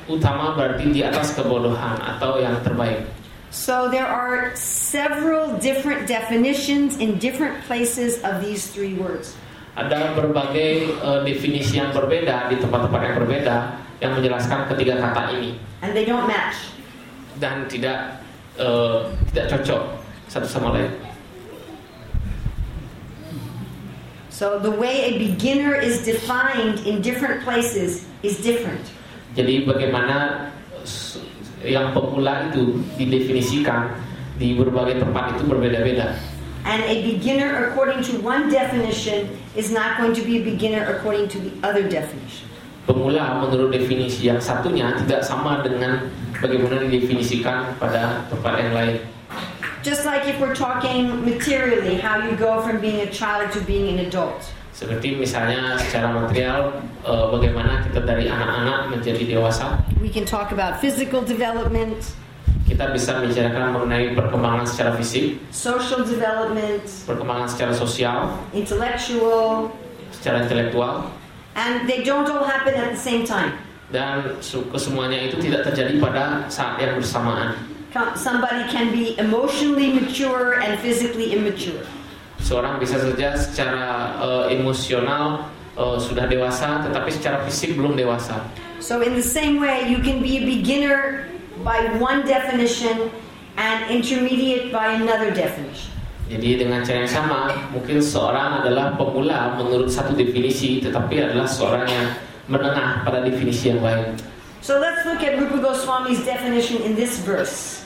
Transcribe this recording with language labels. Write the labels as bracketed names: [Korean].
[Indonesian] Utama berarti di atas kebodohan atau yang terbaik. [English] So there are several different definitions in different places of these 3 words. [Indonesian] Ada berbagai definisi yang berbeda di tempat-tempat yang berbeda yang menjelaskan ketiga kata ini. [English] And they don't match. [Indonesian] Dan tidak cocok satu sama lain. [English] So the way a beginner is defined in different places is different. [Indonesian] Jadi bagaimana yang pemula itu didefinisikan di berbagai tempat itu berbeda-beda. [English] And a beginner according to one definition is not going to be a beginner according to the other definition. [Indonesian] Pemula menurut definisi yang satunya tidak sama dengan bagaimana didefinisikan pada tempat yang lain. [English] Just like if we're talking materially, how you go from being a child to being an adult. [Indonesian] Seperti misalnya secara material, bagaimana kita dari anak-anak menjadi dewasa. [English] We can talk about physical development. [Indonesian] kita bisa bicarakan mengenai perkembangan secara fisik, [English] social development, [Indonesian] perkembangan secara sosial, [English] intellectual, [Indonesian] secara intelektual, [English] and they don't all happen at the same time. [Indonesian] Dan kesemuanya itu tidak terjadi pada saat yang bersamaan. [English] Somebody can be emotionally mature and physically immature. [Indonesian] Seorang bisa saja secara emosional sudah dewasa, tetapi secara fisik belum dewasa. [English] So in the same way, you can be a beginner by one definition and intermediate by another definition. [Indonesian] Jadi dengan cara yang sama, mungkin seorang adalah pemula menurut satu definisi, tetapi adalah seorang yang menengah pada definisi yang lain. [English] So let's look at Rupa Goswami's definition in this verse.